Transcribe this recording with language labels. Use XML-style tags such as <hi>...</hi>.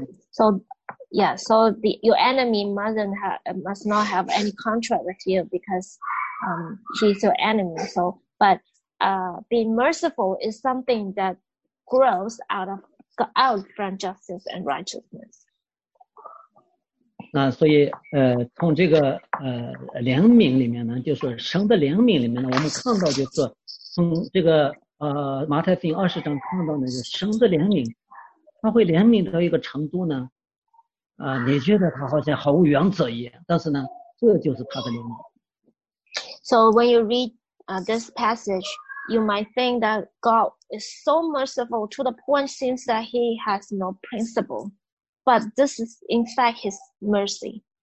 <en>So, yeah, so your enemy must not have any contract with you because she's your enemy. So, but being merciful is something that grows out from justice and righteousness.</en> <zh>那所以从这个怜悯里面呢，就是神的怜悯里面呢，我们看到就是从这个。马太福音二十章看到那个神的怜悯，他会怜悯到一个程度呢，你觉得他好像毫无原则一样，但是呢，这就是他的怜悯。</zh> <en>So when you read this passage, you might think that God is so merciful to the point seems that he has no principle, but this is in fact his mercy.</en>